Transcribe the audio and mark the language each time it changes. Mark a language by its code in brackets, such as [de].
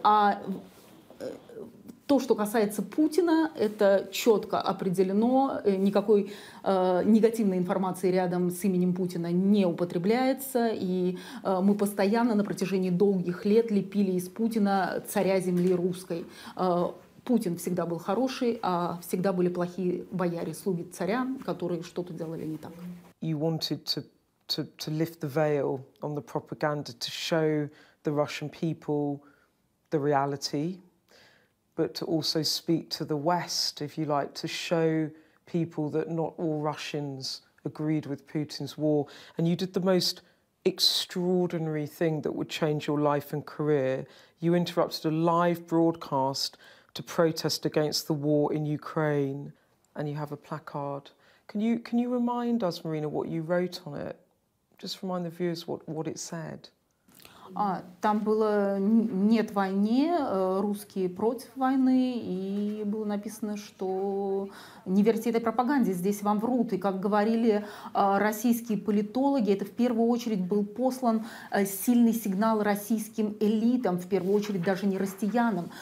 [ru] А то, что касается Путина, это четко определено, никакой негативной информации рядом с именем Путина не употребляется, и мы постоянно на протяжении долгих лет лепили из Путина царя земли русской. Путин всегда был хороший, а всегда были плохие бояре, слуги царя, которые что-то делали не так. [en] You wanted to lift the veil on the propaganda, to show the Russian people the reality. But to also speak to the West, if you like, to show people that not all Russians agreed with Putin's war. And you did the most extraordinary thing that would change your life and career. You interrupted a live broadcast to protest against the war in Ukraine, and you have a placard. Can you remind us, Marina, what you wrote on it? Just remind the viewers what it said. [ru] Там было «Нет войне», «Русские против войны», и было написано, что «Не верьте этой пропаганде, здесь вам врут». И, как говорили российские политологи, это в первую очередь был послан сильный сигнал российским элитам, в первую очередь даже не россиянам.